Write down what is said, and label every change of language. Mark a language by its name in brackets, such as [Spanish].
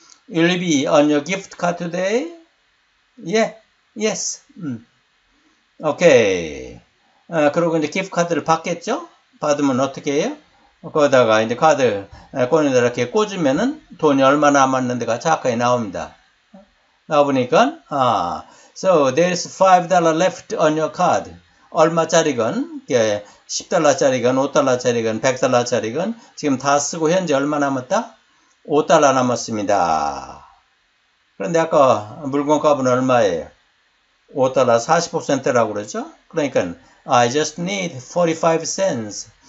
[English] Will be on your gift card today? Yeah. Yes. Okay. [Korean] 그리고 이제 기프트 카드를 받겠죠? 받으면 어떻게 해요? 거기다가 이제 카드 꽂는다 이렇게 꽂으면은 돈이 얼마 남았는데가 정확하게 나옵니다. 나오니까 아, [English] so there's $5 left on your card. [Korean] 얼마짜리건, 10달러짜리건, 5달러짜리건, 100달러짜리건 지금 다 쓰고 현재 얼마 남았다? 5달러 남았습니다. 그런데 아까 물건값은 얼마예요? 5달러 45센트라고 그러죠? 그러니까 [English] I just need 45 cents.